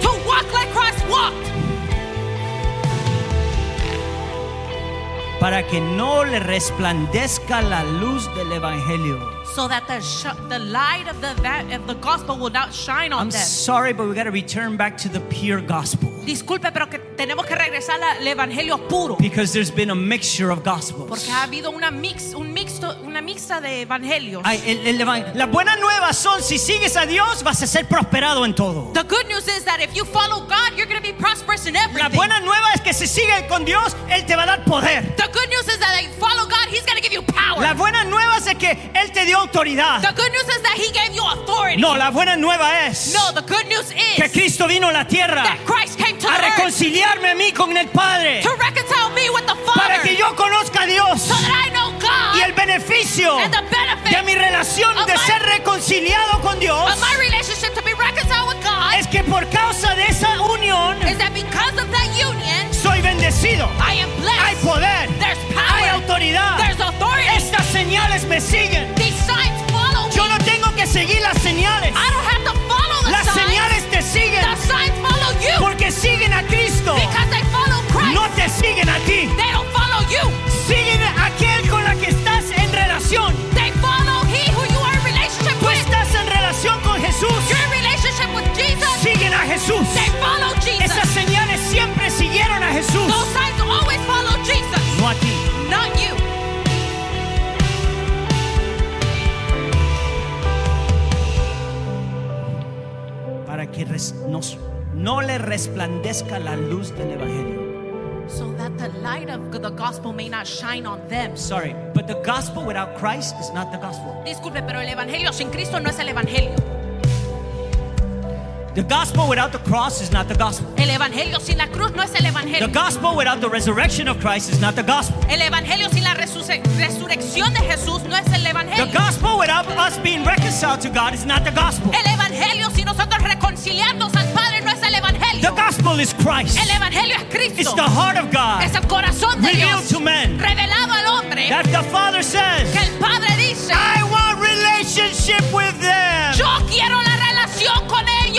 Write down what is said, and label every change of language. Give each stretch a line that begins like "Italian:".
English: to walk like Christ walked,
Spanish: para que no le resplandezca la luz del evangelio.
English: So that the light of the gospel will not shine on them. I'm sorry, but we got to return back to the pure gospel.
Spanish: Disculpe, pero que tenemos que regresar al evangelio puro.
English: Because there's been a mixture of gospels.
Spanish: Porque ha habido una mixta de evangelios. La buena nueva son si sigues a Dios vas a ser prosperado en todo.
English: The good news is that if you follow God, you're going to be prosperous in everything.
Spanish: La buena nueva es que si sigues con Dios, él te va a dar poder.
English: The good news is that if you follow God, he's going to give you power.
Spanish: La buena nueva es que él te dio autoridad.
English: The good news is that he gave you authority.
Spanish: No, la buena nueva es
English: the good news is
Spanish: que Cristo vino a la tierra
English: that Christ came to
Spanish: a reconciliarme a mí con el Padre.
English: To reconcile me with the Father.
Spanish: Para que yo conozca a Dios.
English: So that I know God.
Spanish: Y el beneficio
English: and the benefit
Spanish: de mi relación
English: of
Spanish: de
English: my,
Spanish: ser reconciliado con Dios
English: of my relationship to be reconciled with God
Spanish: es que por causa de esa unión
English: is that because of that union
Spanish: soy bendecido.
English: I am blessed.
Spanish: Hay poder.
English: There's power.
Spanish: Hay autoridad.
English: There's authority.
Spanish: Estas señales me siguen.
English: These signs follow
Spanish: yo
English: me.
Spanish: No tengo que seguir las señales.
English: I don't have to follow the
Spanish: las
English: signs.
Spanish: Las señales te siguen.
English: The signs follow you.
Spanish: Porque siguen a Cristo.
English: Because they follow Christ.
Spanish: No te siguen a ti.
English: They don't follow you.
Spanish: Siguen a aquel con la que estás en relación.
English: They follow he who you are in relationship
Spanish: tú
English: with.
Spanish: Tú estás en relación con Jesús.
English: You're in relationship with Jesus.
Spanish: Siguen a Jesús.
English: They follow Jesus.
Spanish: Esas señales siempre siguieron a Jesús.
English: Those signs always follow Jesus.
Spanish: No a ti.
English: Not you.
Spanish: Para que nos no le resplandezca la luz del evangelio.
English: So that the light of the gospel may not shine on them. Sorry, but the gospel without Christ is not the gospel.
Spanish: Disculpe, pero el evangelio sin Cristo no es el evangelio.
English: The gospel without the cross is not the gospel.
Spanish: El evangelio sin la cruz no es el evangelio.
English: The gospel without the resurrection of Christ is not the gospel.
Spanish: El evangelio sin la resurrección de Jesús no es el evangelio.
English: The gospel without us being reconciled to God is not the gospel.
Spanish: El evangelio sin nosotros reconciliarnos al Padre no es el evangelio.
English: The gospel is Christ.
Spanish: El evangelio es Cristo.
English: It's the heart of God.
Spanish: Es el corazón de
English: revealed to men.
Spanish: Revelado al hombre.
English: That the Father says.
Spanish: Que el Padre dice.
English: I want relationship with them.
Spanish: Yo quiero la relación con ellos.